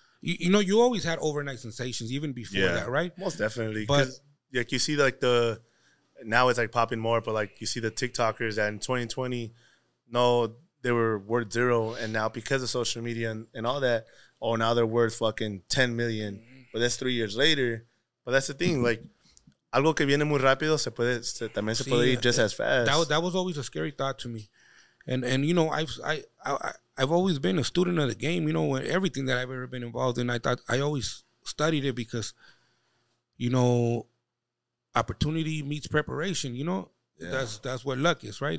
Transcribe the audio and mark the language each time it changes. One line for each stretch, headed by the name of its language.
English: you know, you always had overnight sensations even before that, right? Most definitely. But like, you see, like, the now it's like popping more. But like, you see the TikTokers that in 2020, no, they were worth zero, and now because of social media and all that, oh, now they're worth fucking 10 million. But that's 3 years later. But that's the thing.
Spanish: Like, algo que viene muy rápido, se puede, se, también se puede ir
English: just as fast. That was always a scary thought to me. And you know, I've always been a student of the game, you know, everything that I've ever been involved in. I thought, I always studied it because, you know, opportunity meets preparation, you know? Yeah. That's what luck is, right?